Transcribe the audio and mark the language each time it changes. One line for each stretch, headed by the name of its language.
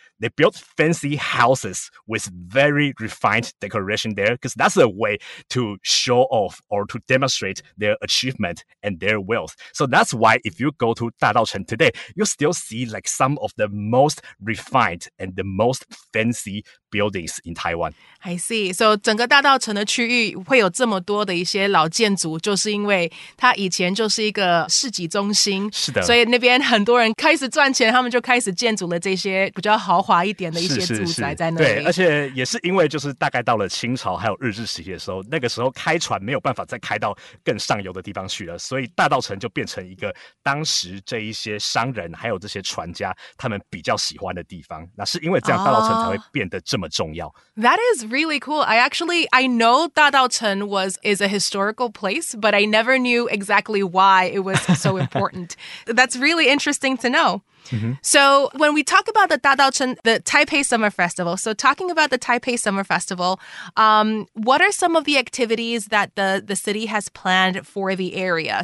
English: They built fancy houses with very refined decoration there because that's a way to show off or to demonstrate their achievement and their wealth. So that's why if you go to 大稻埕 today, you'll still see like some of the most refined and the most fancy buildings in Taiwan. I see.
Chinese: So 整个大稻埕的区域会有这么多的一些老建筑就是因为它以前就是一个市集中心。是的。所以那边很多人开始赚钱他们就开始建筑了这些比较豪华一点的一些住宅在那里。对，而且也是因为就是大概到了清朝还有日治时期的时候，那个时候开船没有办法再开到更上游的地方去了，所以大稻埕就变成一个当时这一些商人还有这些船家他们比较喜欢的地方。那是因为这样大稻埕才会变得这么重要。
English: That is really cool. I know 大稻埕 is a historical place, but I never knew exactly why it was so important. That's really interesting to know. So when we talk about the 大稻埕, the Taipei Summer Festival, so talking about the Taipei Summer Festival, what are some of the activities that the city has planned for the area?